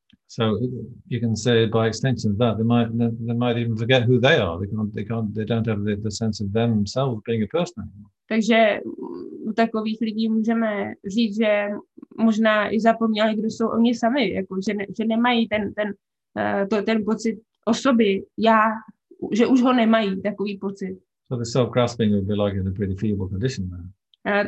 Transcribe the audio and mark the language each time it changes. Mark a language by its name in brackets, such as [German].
[English] So you can say by extension of that they might even forget who they are. They don't have the sense of themselves being a person anymore. [Czech] Takže u takových lidí můžeme říct, že možná i zapomněli, kdo jsou oni sami, jako že nemají ten pocit osoby já, že už ho nemají takový pocit. [English] So the self-grasping would be like in a pretty feeble condition now.